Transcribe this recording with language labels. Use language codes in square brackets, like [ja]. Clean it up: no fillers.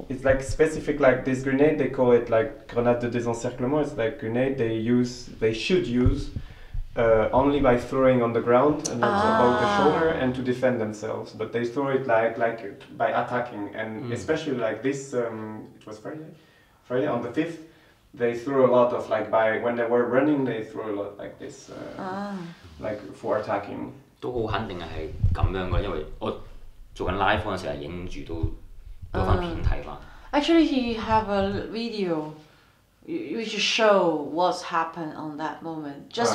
[en] It's like specific, like this grenade, they call it like grenade de désencerclement, it's like grenade they should use only by throwing on the ground and then above the shoulder and to defend themselves, but they throw it like by attacking, and especially like this, it was Friday on the 5th, they threw a lot of like by when they were running, they threw a lot like this, like for attacking. [yue] 都好肯定係咁樣嘅，因為我做緊 live 嗰陣時候影住都攞翻片睇翻。 [en] Actually, he have a video, which show what's happened on that moment just